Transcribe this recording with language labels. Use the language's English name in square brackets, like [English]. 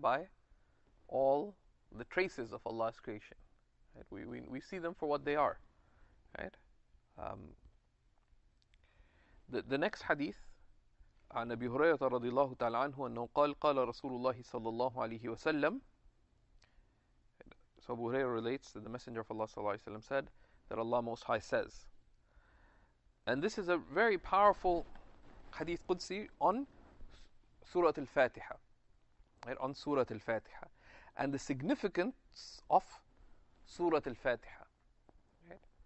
[English] By all the traces of Allah's creation. Right? We see them for what they are. Right? The next hadith, [Arabic] عن أبي هريرة رضي الله تعالى عنه أنه قال قال رسول الله صلى الله عليه وسلم. [English] So Abu Hurairah relates that the Messenger of Allah صلى الله عليه وسلم said, that Allah Most High says. And this is a very powerful hadith Qudsi on Surah Al-Fatiha. Right? On Surah Al-Fatiha. And the significance of Surah Al-Fatiha. Right?